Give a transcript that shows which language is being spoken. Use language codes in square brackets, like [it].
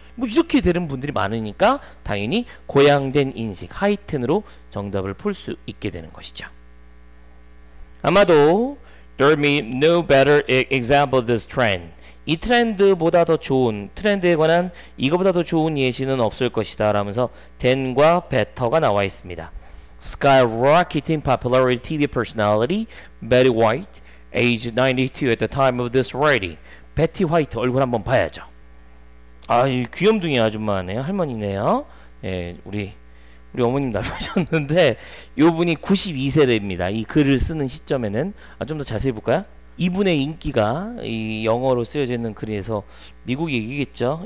[ko] 뭐 이렇게 되는 분들이 많으니까 당연히 고양된 인식, 하이튼으로 정답을 풀 수 있게 되는 것이죠. [en] 아마도 there may be no better example of this trend. [ko] 이 트렌드보다 더 좋은, 트렌드에 관한 이거보다 더 좋은 예시는 없을 것이다 라면서 than과 better가 나와 있습니다. [en] Skyrocketing popularity TV personality Betty White, age 92 at the time of this writing. [ko] Betty White 얼굴 한번 봐야죠. 아, 귀염둥이 아줌마네요. 할머니네요. 예, 우리 어머님 닮으셨는데 이분이 92세입니다. 이 글을 쓰는 시점에는 좀 더 자세히 볼까요? 이분의 인기가 이 영어로 쓰여져 있는 글에서 미국 얘기겠죠.